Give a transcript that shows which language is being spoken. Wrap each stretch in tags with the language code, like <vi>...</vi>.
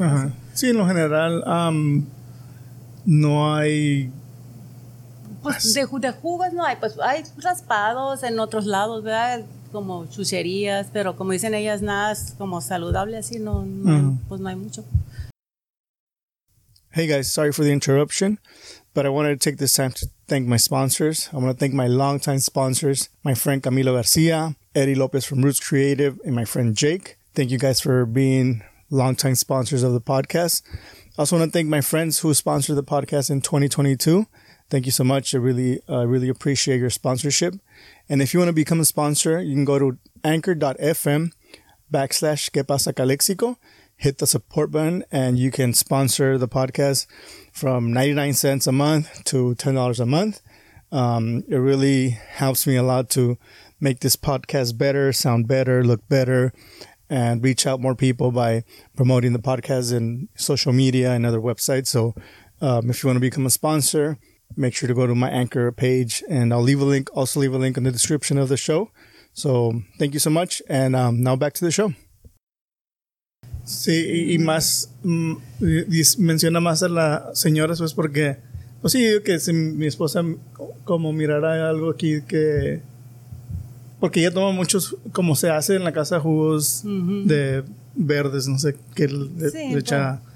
<es>Ajá. Sí, en lo general no hay pues de jugos, no hay, pues hay raspados en otros lados, ¿verdad? Como chucherías, pero como dicen ellas, nada es como saludable, así no pues no hay mucho.</es> <en>Hey guys, sorry for the interruption, but I wanted to take this time to thank my sponsors. I want to thank my longtime sponsors, my friend Camilo Garcia, Eddie Lopez from Roots Creative, and my friend Jake. Thank you guys for being longtime sponsors of the podcast. I also want to thank my friends who sponsored the podcast in 2022. Thank you so much. I really appreciate your sponsorship. And if you want to become a sponsor, you can go to anchor.fm/quepasacalexico. Hit the support button and you can sponsor the podcast from 99 cents a month to $10 a month. It really helps me a lot to make this podcast better, sound better, look better, and reach out more people by promoting the podcast in social media and other websites. So if you want to become a sponsor, make sure to go to my Anchor page and I'll leave a link, also leave a link in the description of the show. So thank you so much. And now back to the show.</en> <es>Sí, y más, menciona más a la señora, pues, porque, pues sí, que si mi esposa como mirara algo aquí que, porque ella toma muchos, como se hace en la casa, jugos de verdes, no sé, que le echa.</es>